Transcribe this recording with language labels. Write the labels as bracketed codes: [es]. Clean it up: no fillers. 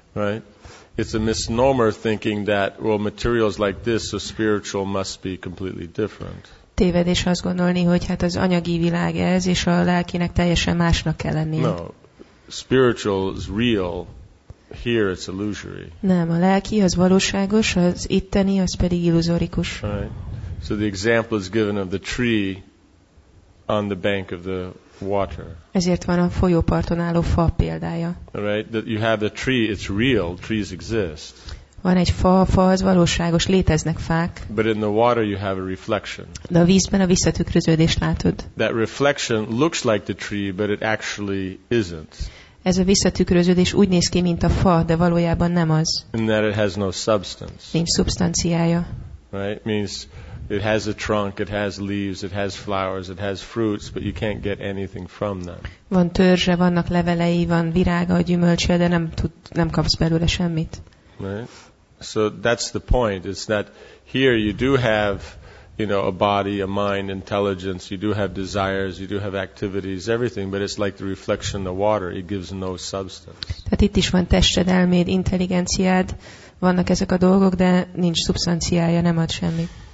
[en] Right? It's a misnomer thinking that, well, materials like this, so spiritual must be completely different. [hu] Tévedés azt gondolni, hogy hát az anyagi világ ez, és a lelkinek teljesen másnak kell lennie. [en] No, spiritual is real. Here it's illusory. [hu] Nem, a lelki az valóságos, az itteni az pedig illuzórikus. [en] Right. So the example is given of the tree on the bank of the water. [hu] Ezért van a folyóparton álló fa példája. [en] Right. That you have the tree, it's real. Trees exist. [hu] Van egy fa, a fa az valóságos, léteznek fák. [en] But in the water you have a reflection. [hu] De a vízben a visszatükröződést látod. [en] That reflection looks like the tree, but it actually isn't. [hu] Ez a visszatükröződés úgy néz ki, mint a fa, de valójában nem az. [en] And that it has no substance. [hu] Nincs szubstanciája. [en] Right? Means it has a trunk, it has leaves, it has flowers, it has fruits, but you can't get anything from them. [hu] Van törzse, vannak levelei, van virága, gyümölcse, de nem kapsz belőle semmit. [en] Right? So that's the point. It's that here you do have, you know, a body, a mind, intelligence, you do have desires, you do have activities, everything, but it's like the reflection of the water, it gives no substance. [hu] Tehát itt is van tested, elméd, intelligenciád, vannak ezek a dolgok, de nincs szubstanciája, nem ad semmi.